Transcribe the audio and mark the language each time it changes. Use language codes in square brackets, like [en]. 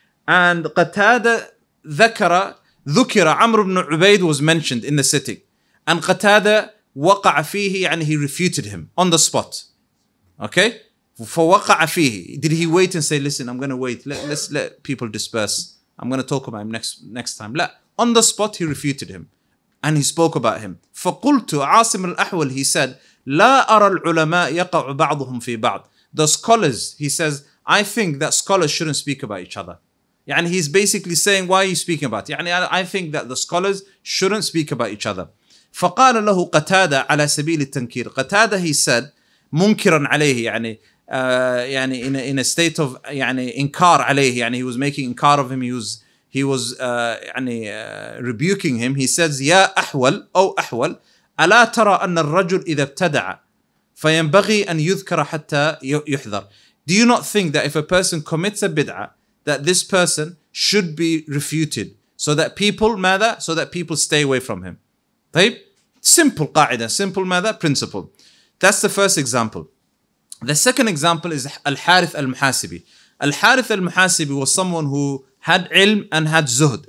[en] And Qatada ذكر Amr ibn Ubayd was mentioned in the sitting. And Qatada [ar] وقع فيه, [en] يعني he refuted him on the spot. [ar] Okay? فوقع فيه. [en] Did he wait and say, listen, I'm going to wait. Let's let people disperse. I'm going to talk about him next time. [ar] لا. [en] On the spot, he refuted him. And he spoke about him. [ar] فقلتُ عاصم الأحول, [en] he said, [ar] لا أرى العلماء يقع بعضهم في بعض. [en] The scholars, he says, I think that scholars shouldn't speak about each other. يعني he's basically saying, why are you speaking about it? يعني I think that the scholars shouldn't speak about each other. [ar] فقال له قتادة على سبيل التنكير. [en] قتادة, he said, [ar] منكراً عليه, [en] يعني يعني in a state of يعني إنكار عليه, يعني he was making إنكار of him, he was rebuking him. He says, [ar] يا أحول, أو أحول, ألا ترى أن الرجل إذا ابتدع فينبغي أن يذكر حتى يحذر. [en] Do you not think that if a person commits a bid'ah, that this person should be refuted so that people, ماذا, so that people stay away from him? [ar] طيب. [en] Simple قاعدة, simple ماذا, principle. That's the first example. The second example is Al-Harith Al-Muhasibi. Al-Harith Al-Muhasibi was someone who had ilm and had zuhd.